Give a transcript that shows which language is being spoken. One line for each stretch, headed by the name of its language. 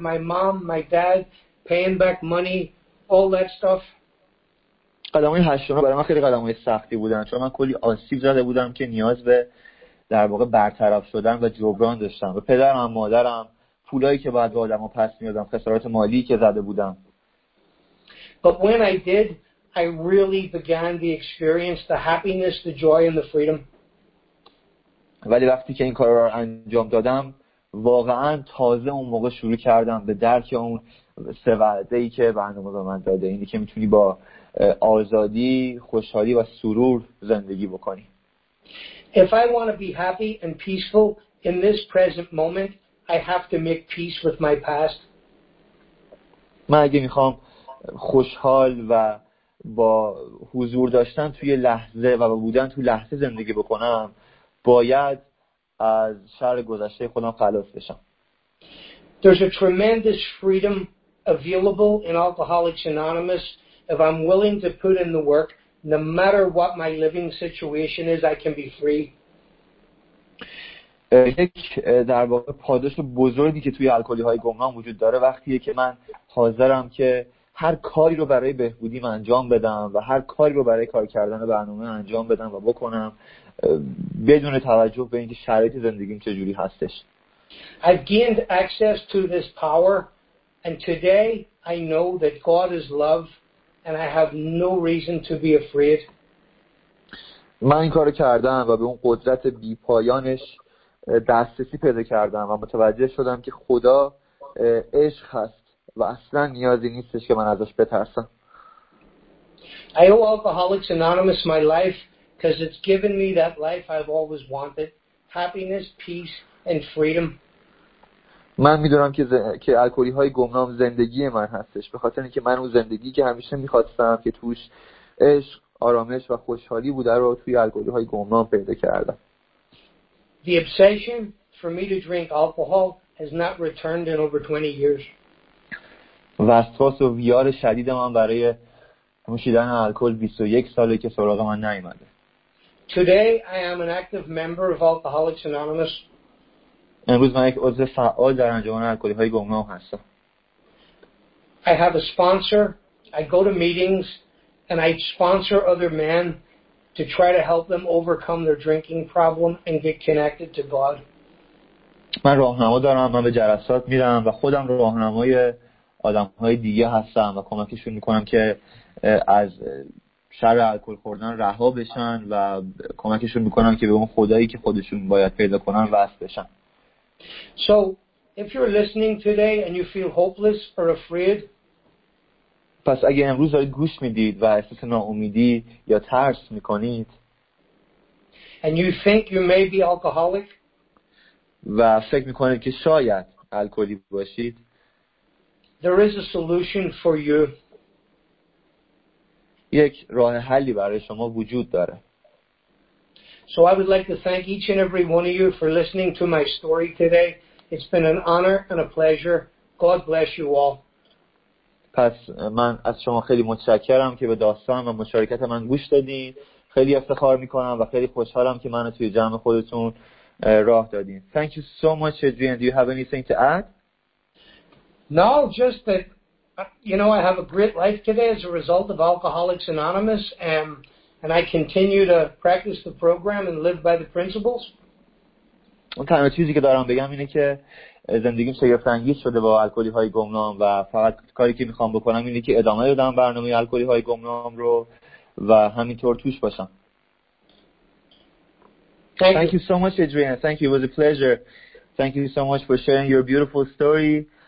English: My mom, my dad, paying back money, all that stuff.
Persian: قدم‌های 8 و 9 برای من خیلی قدم‌های سختی بودن چون من کلی آسیب زده بودم که نیاز به در واقع برطرف شدن و جبران داشتم. به پدرم، مادرم، پولایی که بعد به آدم‌ها پس می‌دادم، خسارات مالی که زده بودم.
English: But when I did, I really began the experience, the happiness, the joy and the freedom.
Persian: ولی وقتی که این کار را انجام دادم، واقعاً تازه اون موقع شروع کردم به درک اون سه وعده‌ای که برنامه به من داده، اینی که می‌تونی با آزادی، خوشحالی و سرور زندگی بکنی.
English: If I want to be happy and peaceful in this present moment, I have to make peace with my past.
Persian: من اگه میخوام خوشحال و با حضور داشتن توی لحظه و با بودن توی لحظه زندگی بکنم، باید از شر گذشته خودم خلاص بشم.
English: There's a tremendous freedom available in Alcoholics Anonymous if I'm willing to put in the work. No matter what my living situation is, I can be free.
Persian: در واقع پاداش بزرگی که توی الکلی های گمنام وجود داره وقتیه که من حاضرم که هر کاری رو برای بهبودیم انجام بدم و هر کاری رو برای کار کردن برنامه انجام بدم و بکنم بدون توجه به اینکه شرایط زندگیم چجوری هستش.
English: I've gained access to this power and today I know that God is love and I have no reason to be afraid.
Persian: من این کارو کردم و به اون قدرت بی پایانش دسترسی پیدا کردم و متوجه شدم که خدا عشق هست و اصلا نیازی نیستش که من ازش بترسم.
English: I owe Alcoholics Anonymous my life because it's given me that life I've always wanted, happiness, peace and freedom.
Persian: من میدونم که الکلی های گمنام زندگی من هستش به خاطر اینکه من اون زندگی که همیشه میخواستم که توش عشق، آرامش و خوشحالی بوده رو توی الکلی های گمنام پیدا کردم.
English: The obsession for me to drink alcohol has not returned in over 20 years.
Persian: وسواس و ویار شدید من برای نوشیدن الکل 21 ساله که سراغ من نیامده.
English: Today I am an active member of Alcoholics Anonymous.
Persian: امروز من یک عضو فعال در انجمن الکلی های گمنام هستم.
English: I have a sponsor. I go to meetings and I sponsor other men to try to help them overcome their drinking problem and get connected to God.
Persian: من راهنما دارم، من به جلسات میرم و خودم راهنمای آدم‌های دیگه هستم و کمکشون می‌کنم که از شر الکل خوردن رها بشن و کمکشون می‌کنم که به اون خدایی که خودشون باید پیدا کنن وصل بشن.
English: So, if you're listening today and you feel hopeless or afraid,
Persian: پس اگه امروز دارید گوش میدید و احساس ناامیدی یا ترس میکنید
English: and you think you may be alcoholic,
Persian: و فکر میکنید که شاید الکلی باشید,
English: there is a solution for you.
Persian: یک راه حلی برای شما وجود داره.
English: So I would like to thank each and every one of you for listening to my story today. It's been an honor and a pleasure. God bless you all.
Persian: پس من از شما خیلی متشکرم که به داستان و مشارکت من گوش دادین. خیلی افتخار میکنم و خیلی خوشحالم که منو توی جمع خودتون راه دادین.
English: Thank you so much, Adrian. Do you have anything to add? No, just that, you know, I have a great life today as a result of Alcoholics Anonymous and I continue to practice the program and live by the principles.
Persian: اون تنها چیزی که دارم بگم اینه که زندگیم شگفت‌انگیز شده با الکلی های گمنام و فقط کاری که میخوام بکنم اینه که ادامه بدم برنامه الکلی های گمنام رو و همینطور توش باشم.
English: Thank you. Thank you so much, Adrian. Thank you. It was a pleasure. Thank you so much for sharing your beautiful story.